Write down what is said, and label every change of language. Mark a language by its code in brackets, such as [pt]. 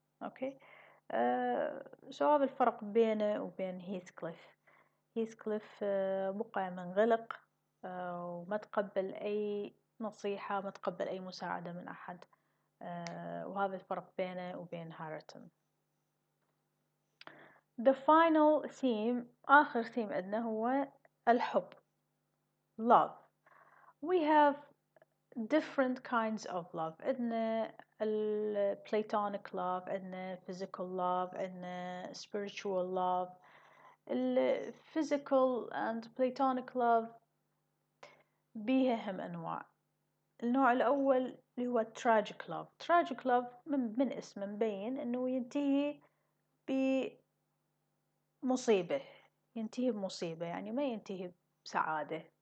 [ar] أوكي، شباب، الفرق بينه وبين هيثكليف، هيثكليف بقى منغلق وما تقبل أي نصيحة، ما تقبل أي مساعدة من أحد، وهذا الفرق بينه وبين هارتون. [en] The final theme، [ar] آخر [en] theme [ar] عندنا هو الحب، [en] love. We have different kinds of love. [ar] عندنا [en] platonic love، عندنا physical love، عندنا spiritual love. Physical and platonic love [ar] بيها هم أنواع. النوع الأول اللي هو tragic love. Tragic love من اسمه مبين أنه ينتهي بمصيبة، ينتهي بمصيبة، يعني ما ينتهي بسعادة.